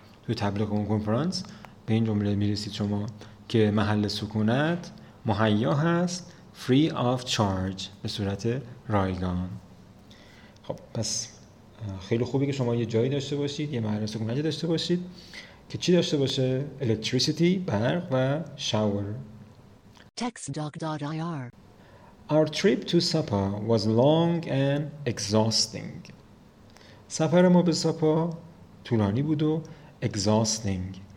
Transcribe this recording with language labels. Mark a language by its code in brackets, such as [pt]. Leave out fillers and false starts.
[fa] تو تبلیغ اون کنفرانس به این جمله میرسید شما که محل سکونت مهیا هست [en] free of charge [fa] به صورت رایگان. خب پس خیلی خوبی که شما یه جایی داشته باشید، یه محل سکونتی داشته باشید که چی داشته باشه؟ electricity، برق و shower. [en] textdoc.ir Our trip to Sapa was long and exhausting. [fa] سفر ما به ساپا طولانی بود و exhausting.